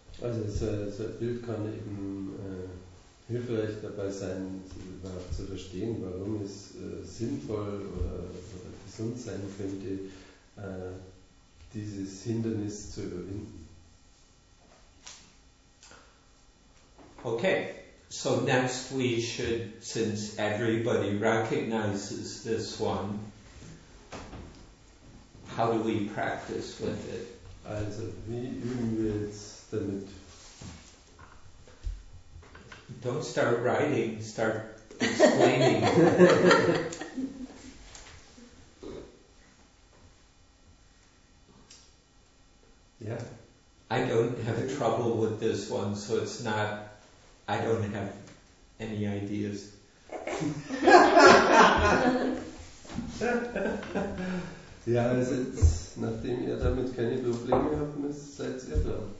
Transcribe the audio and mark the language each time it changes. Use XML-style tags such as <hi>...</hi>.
<de>Also so ein Bild kann eben hilfreich dabei sein, zu verstehen, warum es sinnvoll oder gesund sein könnte, dieses Hindernis zu überwinden.</de> <en>Okay, so next we should, since everybody recognizes this one, how do we practice with it?</en> <de>Also, wie üben wir jetzt damit?</de> <en>Don't start writing, start explaining. Yeah. I don't have trouble with this one, so it's not, I don't have any ideas.</en> <de>Ja, also jetzt, nachdem ihr damit keine Probleme habt, seid ihr dran.</de>